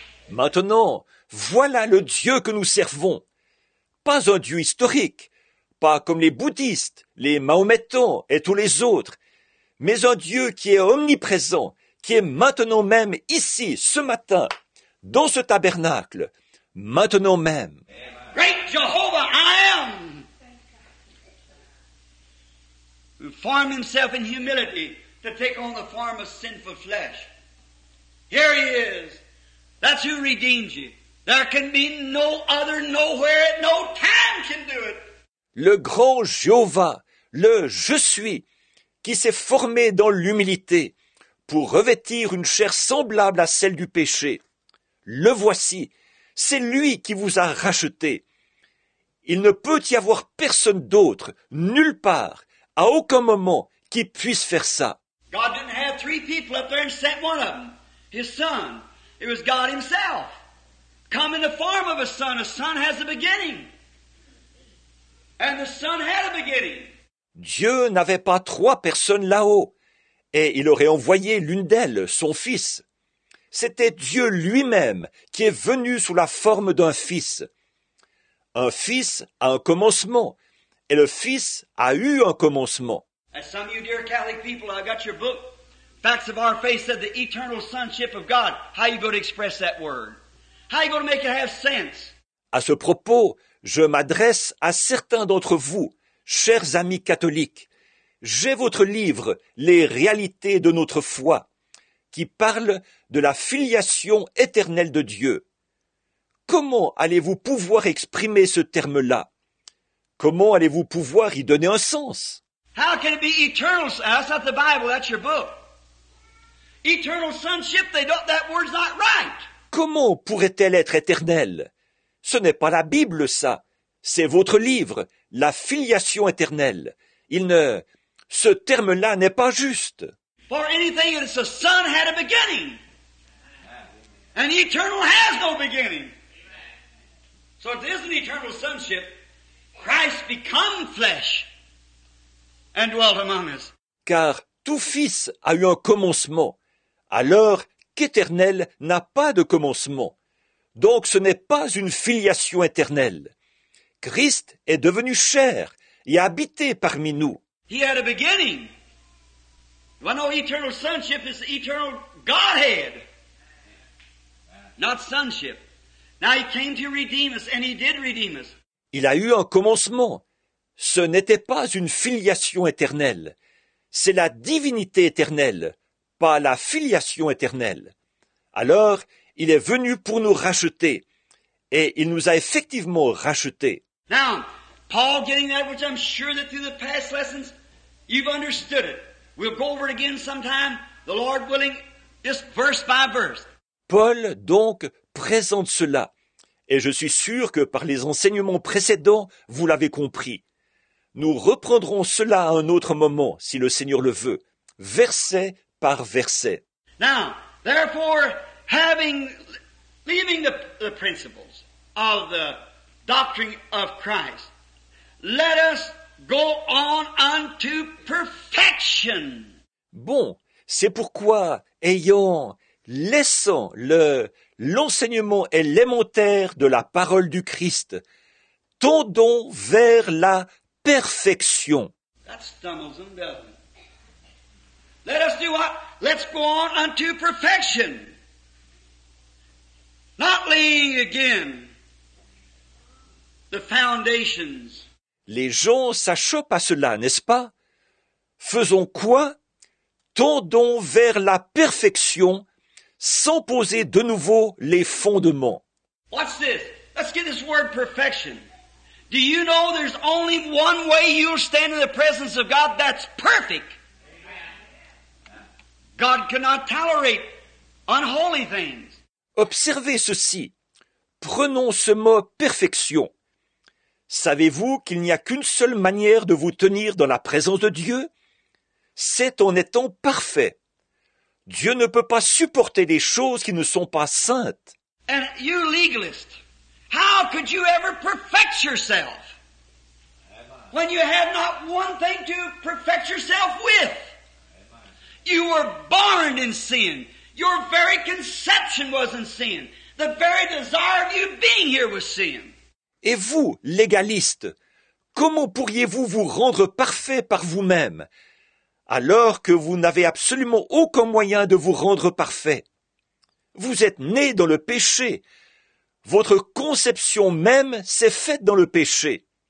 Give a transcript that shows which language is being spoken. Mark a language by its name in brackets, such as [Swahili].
[French] Maintenant, voilà le Dieu que nous servons. Pas un Dieu historique, pas comme les bouddhistes, les mahométans et tous les autres, mais un Dieu qui est omniprésent, qui est maintenant même ici, ce matin, dans ce tabernacle, maintenant même. [English] Great Jehovah, I am, who formed himself in humility to take on the form of sinful flesh. Here he is. That's who redeemed you. There can be no other, nowhere, no time can do it. [French] Le grand Jéhovah, le Je suis, qui s'est formé dans l'humilité pour revêtir une chair semblable à celle du péché. Le voici, c'est lui qui vous a racheté. Il ne peut y avoir personne d'autre, nulle part, à aucun moment, qui puisse faire ça. [English] God didn't have three people up there and sent one of them, his son. It was God himself. Come in the form of a son. A son has a beginning. And the son had a beginning. [French] Dieu n'avait pas trois personnes là-haut, et il aurait envoyé l'une d'elles, son fils. C'était Dieu lui-même qui est venu sous la forme d'un fils. Un fils a un commencement, et le fils a eu un commencement. [English] As some of you dear Catholic people, I got your book, Facts of Our Faith, said the eternal sonship of God. How are you going to express that word? How are you going to make it have sense? [French] À ce propos, je m'adresse à certains d'entre vous, chers amis catholiques. J'ai votre livre, Les réalités de notre foi, qui parle de la filiation éternelle de Dieu. Comment allez-vous pouvoir exprimer ce terme-là? Comment allez-vous pouvoir y donner un sens? [English] How can it be eternal? That's not the Bible, that's your book. Eternal sonship, they don't, that word's not right. [French] Comment pourrait-elle être éternelle? Ce n'est pas la Bible, ça. C'est votre livre, la filiation éternelle. Il ne... Ce terme-là n'est pas juste. [English] For anything, it's a son had a beginning. And eternal has no beginning. So it is an eternal sonship. Christ become flesh and dwelt among us. [French] Car tout fils a eu un commencement, alors qu'éternel n'a pas de commencement. Donc ce n'est pas une filiation éternelle. Christ est devenu chair et a habité parmi nous. [English] He had a beginning. Well, no, eternal sonship is the eternal Godhead, not sonship. Now he came to redeem us, and he did redeem us. [French] Il a eu un commencement. Ce n'était pas une filiation éternelle. C'est la divinité éternelle, pas la filiation éternelle. Alors, il est venu pour nous racheter, et il nous a effectivement rachetés. [English] Now, Paul getting that, which I'm sure that through the past lessons, you've understood it. We'll go over it again sometime, the Lord willing, just verse by verse. [French] Paul, donc, présente cela, et je suis sûr que par les enseignements précédents, vous l'avez compris. Nous reprendrons cela à un autre moment, si le Seigneur le veut, verset par verset. [English] Now, therefore, having, leaving the principles of the doctrine of Christ, let us go on unto perfection. [French] Bon, c'est pourquoi, ayant, laissant l'enseignement élémentaire de la parole du Christ, tendons vers la perfection. [English] That stumbles them, doesn't it? Let us do what? Let's go on unto perfection. Not laying again the foundations. [French] Les gens s'achoppent à cela, n'est-ce pas? Faisons quoi? Tendons vers la perfection sans poser de nouveau les fondements. [English] Watch this. Let's get this word perfection. Do you know there's only one way you'll stand in the presence of God that's perfect? God cannot tolerate unholy things. [French] Observez ceci. Prenons ce mot perfection. Savez-vous qu'il n'y a qu'une seule manière de vous tenir dans la présence de Dieu? C'est en étant parfait. Dieu ne peut pas supporter des choses qui ne sont pas saintes. [English] And you legalist, how could you ever perfect yourself when you have not one thing to perfect yourself with? You were born in sin. Your very conception was in sin. The very desire of you being here was sin. [French] Et vous, légalistes, comment pourriez-vous vous rendre parfait par vous-même alors que vous n'avez absolument aucun moyen de vous rendre parfait? Vous êtes né dans le péché. Votre conception même s'est faite dans le péché.